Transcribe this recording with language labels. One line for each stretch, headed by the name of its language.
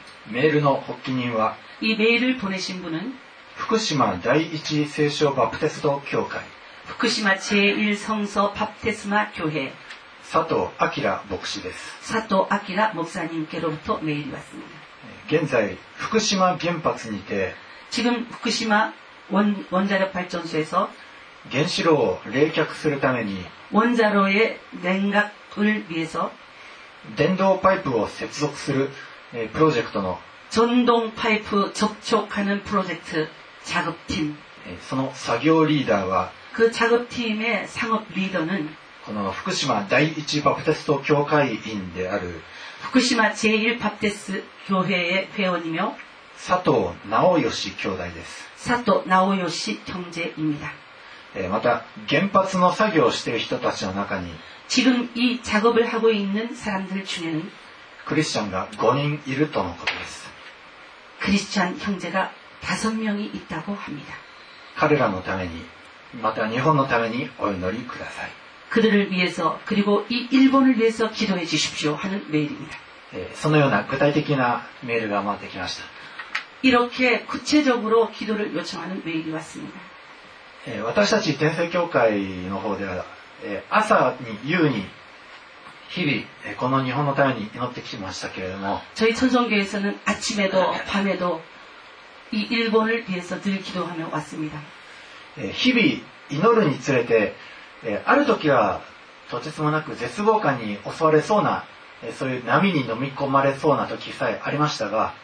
Japanese: メールの発起人は、
Korean: 이메일을보내신분은
Japanese: 福島第一聖書バプテスト教会、福島第一聖所バプテスマ教会佐藤明牧師です。
Korean: 佐藤明牧師님께로부터메일이왔습니다。
Japanese: 現在福島原発にて
Korean: 지금福島 원자력발전소에서
Japanese: 原子炉を冷却するために
Korean: 원자로의냉각을위해서
Japanese: 電動パイプを接続するプロジェクトの
Korean: 전동파이프접촉하는프로젝트작업팀
Japanese: その作業リーダーは
Korean: 그작업팀의상업리더는
Japanese: この福島第一バプテスト教会員である
Korean: 福島第一バプテスト教会의회원이며
Japanese: 佐藤直義兄弟です。
Korean: 佐藤直義형제입니다。
Japanese: また原発の作業をしている人たちの中に
Korean: 지금이작업을하고있는사람들중에는
Japanese: クリスチャンが5人いるとのことです。
Korean: クリスチャン형제가5명이있다고합니다。
Japanese: 彼らのためにまた日本のためにお祈りください。
Korean: 그들을위해서그리고이일본을위해서기도해주십시오하는메일입니다。
Japanese: そのような具体的なメールが回ってきました。
Korean: 이렇게구체적으로기도를요청하는메일이왔습니다。
Japanese: 私たち天聖教会の方では朝に夕に日々この日本のために祈ってきましたけれども、
Korean: 저희천성교회에서는아침에도밤에도이일본을위해서늘기도하며왔습니다。
Japanese: 日々祈るにつれてある時はとてつもなく絶望感に襲われそうな、そういう波に飲み込まれそうな時さえありましたが、